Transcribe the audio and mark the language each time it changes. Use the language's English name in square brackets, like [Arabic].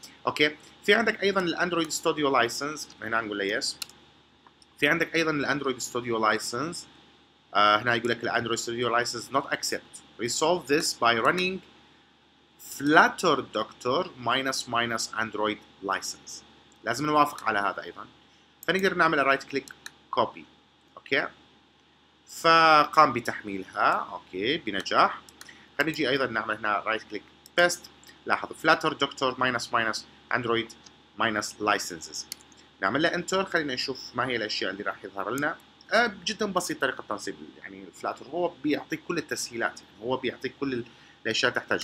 [Arabic] اوكي في عندك ايضا الاندرويد ستوديو لايسنس، هنا نقول له يس. في عندك ايضا الاندرويد ستوديو لايسنس، هنا يقول لك [English] الاندرويد studio license not accept, resolve this by running Flutter Doctor minus minus Android license. [Arabic] لازم نوافق على هذا أيضا. فنقدر نعمل right click copy. أوكي. فقام بتحميلها. أوكي بنجاح. خليجي أيضا نعمل هنا right click paste. لاحظ Flutter Doctor minus minus Android minus licenses. نعمل له enter. خلينا نشوف ما هي الأشياء اللي راح يظهر لنا. جدا بسيط طريقة تنصيب. يعني Flutter هو بيعطيك كل التسهيلات. هو بيعطيك كل الأشياء تحتاج.